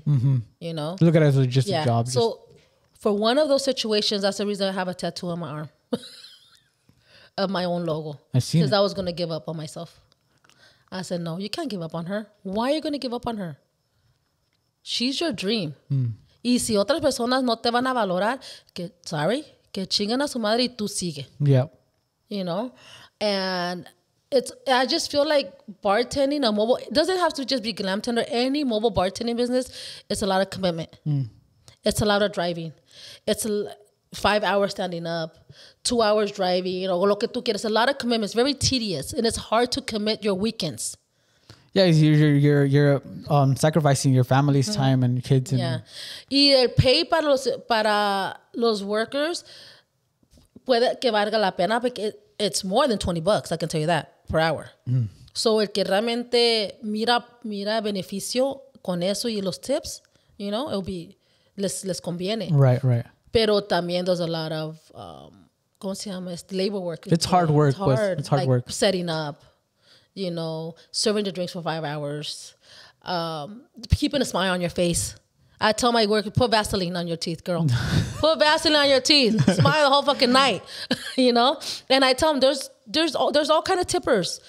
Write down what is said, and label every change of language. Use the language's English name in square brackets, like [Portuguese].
[English] Mm-hmm. You know? Look at it as just a job. So for one of those situations, that's the reason I have a tattoo on my arm. of my own logo. I see. Because I was going to give up on myself. I said, no, you can't give up on her. Why are you going to give up on her? She's your dream. [Spanish] Y si otras personas no te van a valorar, que, sorry, que chingan a su madre y tú sigue. [English] Yeah. You know? And it's, I just feel like bartending, a mobile, it doesn't have to just be Glamtender. Any mobile bartending business, it's a lot of commitment. Mm. It's a lot of driving. It's 5 hours standing up, 2 hours driving, you know, [Spanish] lo que tú quieres. [English] A lot of commitments, very tedious, and it's hard to commit your weekends. Yeah, you're sacrificing your family's time and kids. And yeah. [Spanish] Y el pay para los workers puede que valga la pena, porque [English] it's more than $20, I can tell you that, per hour. [Spanish] So el que realmente mira beneficio con eso y los tips, [English] you know, it'll be, [Spanish] les conviene. [English] Right, right. [Spanish] Pero también [English] there's a lot of, [Spanish] ¿cómo se llama? [English] Labor work. It's hard work. It's hard work. Setting up, you know, serving the drinks for 5 hours, keeping a smile on your face. I tell my worker, put Vaseline on your teeth, girl. Put Vaseline on your teeth. Smile the whole fucking night, you know? And I tell them, there's all kind of tippers.